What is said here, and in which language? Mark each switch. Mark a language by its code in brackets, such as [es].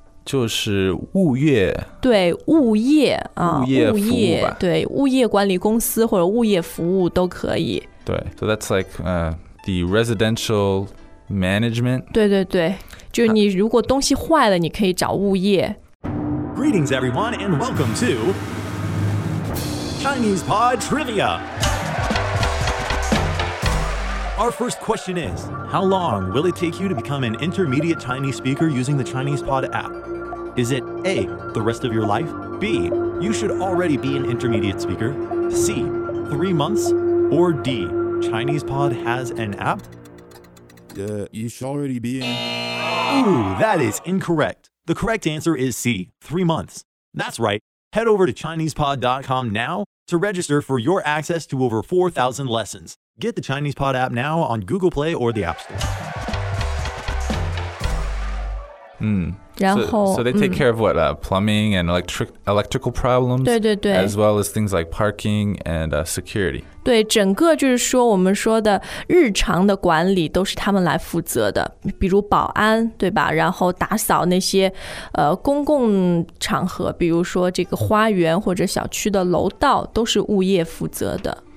[zh] 就是物业。对，物业啊，物业服务吧，物业。对，物业管理公司或者物业服务都可以。 [en] 对， so that's like the residential management. [zh] 对对对，就你如果东西坏了，你可以找物业。 [en] Greetings, everyone, and welcome to Chinese Pod Trivia. Our first question is, how long will it take you to become an intermediate Chinese speaker using the Chinese Pod app? Is it A, the rest of your life? B, you should already be an intermediate speaker? C, 3 months? Or D, Chinese Pod has an app? You should already be in. Ooh, that is incorrect. The correct answer is C, 3 months. That's right. Head over to ChinesePod.com now to register for your access to over 4,000 lessons. Get the Chinese Pod app now on Google Play or the App Store. Hmm. So they take care of what? Plumbing and electrical problems? [zh] 对对对。 [en] As well as things like parking and security. [zh] 对，整个就是说我们说的日常的管理都是他们来负责的。比如保安，对吧？然后打扫那些公共场合，比如说这个花园或者小区的楼道都是物业负责的。